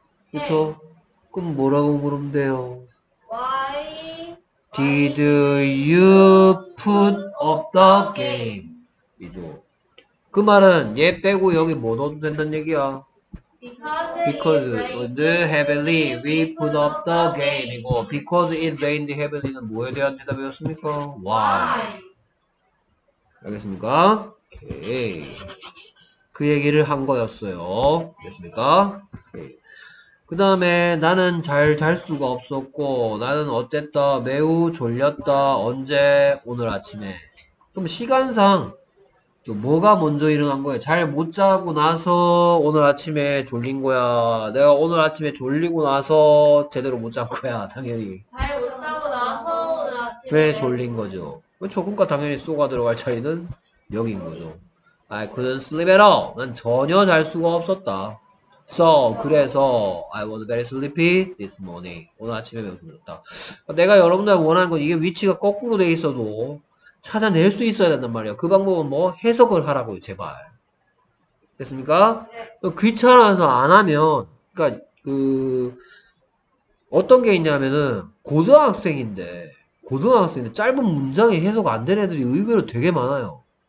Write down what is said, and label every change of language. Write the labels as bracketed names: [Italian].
[Korean] 그렇죠. 네. 그럼 뭐라고 물으면 돼요? [English] Why did you put up the game? 이죠. [Korean] 그 말은 얘 빼고 여기 못 얻어도 된다는 얘기야. [English] Because it rained heavily, we put up the game. [Korean] 이거 [English] because it rained heavily [Korean] 는 뭐에 대한 대답이었습니까? Why? 알겠습니까? 오케이. 그 얘기를 한 거였어요. 알겠습니까? 그 다음에 나는 잘 잘 수가 없었고 나는 어땠다? 매우 졸렸다. 언제? 오늘 아침에. 그럼 시간상 뭐가 먼저 일어난 거야? 잘 못 자고 나서 오늘 아침에 졸린 거야? 내가 오늘 아침에 졸리고 나서 제대로 못 잔 거야? 당연히 잘 못 자고 나서 오늘 아침에 왜 졸린 거죠? 그렇죠. 그러니까 당연히 쏘가 들어갈 차이는 여긴 거죠. [English] I couldn't sleep at all. [Korean] 난 전혀 잘 수가 없었다. [English] So 그래서 I was very sleepy this morning. [Korean] 오늘 아침에 매우 졸렸다. 내가 여러분들 원하는 건 이게 위치가 거꾸로 돼 있어도 찾아낼 수 있어야 된단 말이야. 그 방법은 뭐 해석을 하라고요. 제발. 됐습니까? 네. 귀찮아서 안 하면 그러니까 그 어떤 게 있냐면은 고등학생인데 짧은 문장이 해석 안 되는 애들이 의외로 되게 많아요.